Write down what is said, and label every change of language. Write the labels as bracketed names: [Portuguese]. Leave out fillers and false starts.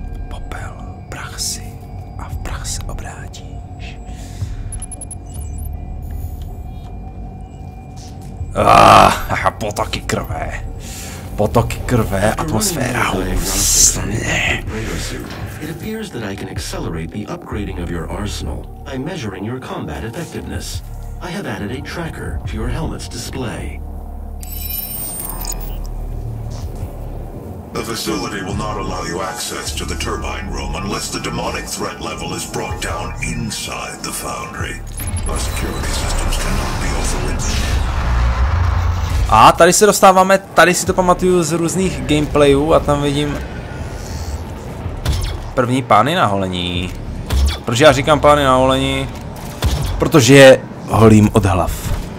[Czech] Popel, prach si a v prach se obrátíš. Ah, potoky krve. Potoky krve, atmosféra, husně. [English] It appears that I can accelerate the upgrading of your arsenal by measuring your combat effectiveness. I have added a tracker to your helmet's display. The facility will not allow you access to the turbine room unless the demonic threat level is brought down inside the foundry. Our security systems cannot be overridden. [Czech] A tady se dostáváme, tady si to pamatuju z různých gameplayů a tam vidím první pány na holení. Proč já říkám pány na holení? Protože je holím od hlav.